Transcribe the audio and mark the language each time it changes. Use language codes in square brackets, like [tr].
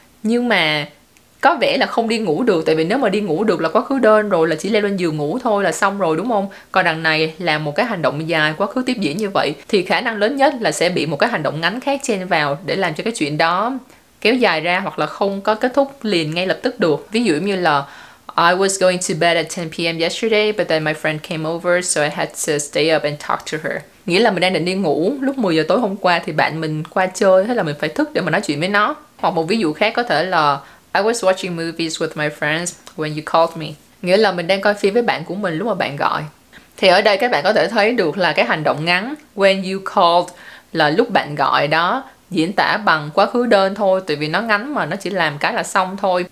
[vi] Nhưng mà có vẻ là không đi ngủ được, tại vì nếu mà đi ngủ được là quá khứ đơn rồi, là chỉ leo lên giường ngủ thôi là xong rồi đúng không? Còn đằng này là một cái hành động dài, quá khứ tiếp diễn như vậy, thì khả năng lớn nhất là sẽ bị một cái hành động ngắn khác chen vào để làm cho cái chuyện đó kéo dài ra hoặc là không có kết thúc liền ngay lập tức được. Ví dụ như là [en] I was going to bed at 10 p.m. yesterday, but then my friend came over, so I had to stay up and talk to her. [vi] Nghĩa là mình đang định đi ngủ lúc 10 giờ tối hôm qua thì bạn mình qua chơi, thế là mình phải thức để mà nói chuyện với nó. Hoặc một ví dụ khác có thể là [en] I was watching movies with my friends when you called me. [vi] Nghĩa là mình đang coi phim với bạn của mình lúc mà bạn gọi. Thì ở đây các bạn có thể thấy được là cái hành động ngắn [en] when you called, [vi] là lúc bạn gọi đó, diễn tả bằng quá khứ đơn thôi, tại vì nó ngắn mà nó chỉ làm cái là xong thôi.